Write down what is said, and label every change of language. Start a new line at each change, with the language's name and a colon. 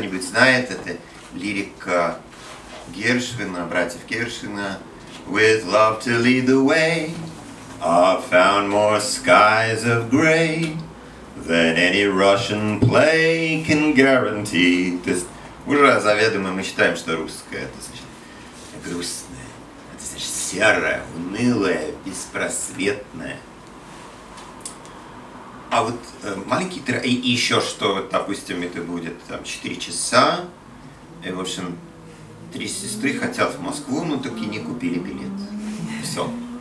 Russian: Знает, это лирика Гершвина, братьев Гершвина.
English: With love to lead the way, I've found more skies of gray than any Russian play can guarantee.
Russian: То есть уже заведомо мы считаем, что русское это значит грустное, это значит серое, унылое, беспросветное. А вот маленький трек, и еще что, вот, допустим, это будет там 4 часа, и, в общем, три сестры хотят в Москву, но так и не купили билет. Все.